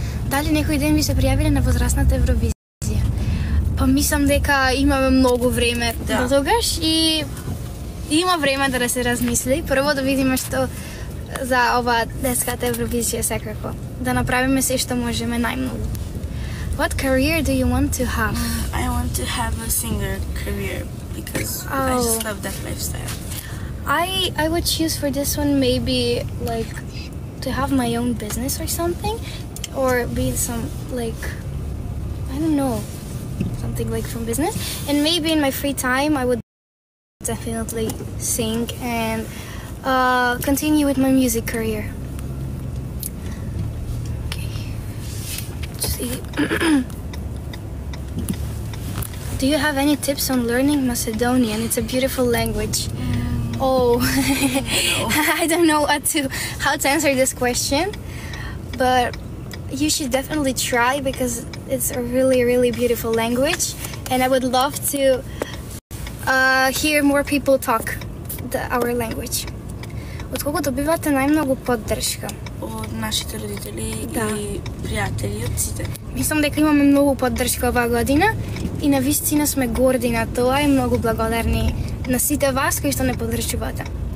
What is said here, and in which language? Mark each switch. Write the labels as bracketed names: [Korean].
[Macedonian] Дали некој ден ви се пријавиле на возрастната Евровизија? Па мислам дека имаме многу време до тогаш и има време да се размисли. Прво да видиме што за ова детската Евровизија секако. Да направиме се што можеме најмногу. [English] What career do you want to have? I want to have a singer career because I just love that lifestyle. I would choose for this one maybe like to have my own business or something, or be some like, I don't know, something like from business. And maybe in my free time I would definitely sing and continue with my music career. Okay. Do you have any tips on learning Macedonian? It's a beautiful language. Oh, I don't know how to answer this question, but you should definitely try because it's a really, really beautiful language, and I would love to hear more people talk our language. [Macedonian] Од кого добивате најмногу поддршка? Од нашите родители и пријатели, од сите. Мислам дека имаме многу поддршка оваа година и на вистина сме горди на тоа и многу благодарни на сите вас кои што не поддржувате.